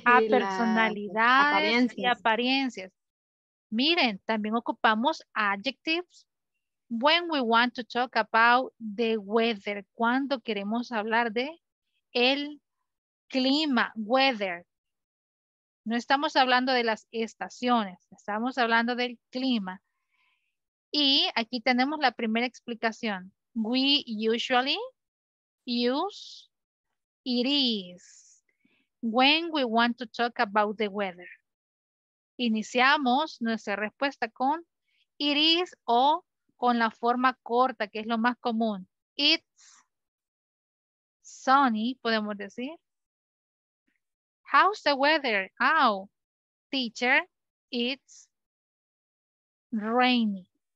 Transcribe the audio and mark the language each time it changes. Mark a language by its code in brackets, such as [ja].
[es] y apariencias. Miren, también ocupamos [en] adjectives when we want to talk about the weather, [es] cuando queremos hablar de el clima, weather. No estamos hablando de las estaciones, estamos hablando del clima. Y aquí tenemos la primera explicación. [en] We usually use it is when we want to talk about the weather. [es] Iniciamos nuestra respuesta con it is o con la forma corta, que es lo más común. [en] It's sunny, [es] podemos decir. [en] How's the weather? How? Teacher, it's rainy.